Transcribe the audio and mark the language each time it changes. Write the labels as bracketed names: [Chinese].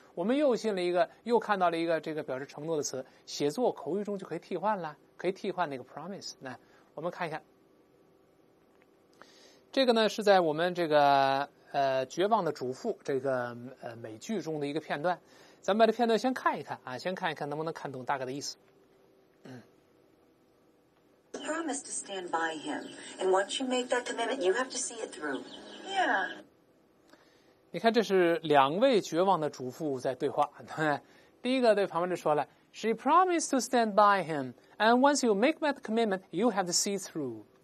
[Chinese] 我们又信了一个，又看到了一个这个表示承诺的词，写作口语中就可以替换了，可以替换那个 promise。那我们看一下，这个呢是在我们这个绝望的主妇这个美剧中的一个片段。咱们把这片段先看一看啊，先看一看能不能看懂大概的意思。 [English] Promise to stand by him, and once you make that commitment, you have to see it through. Yeah. [Chinese] 你看，这是两位绝望的主妇在对话。第一个对旁边就说了 [English] ：“She promised to stand by him, and once you make that commitment, you have to see through.”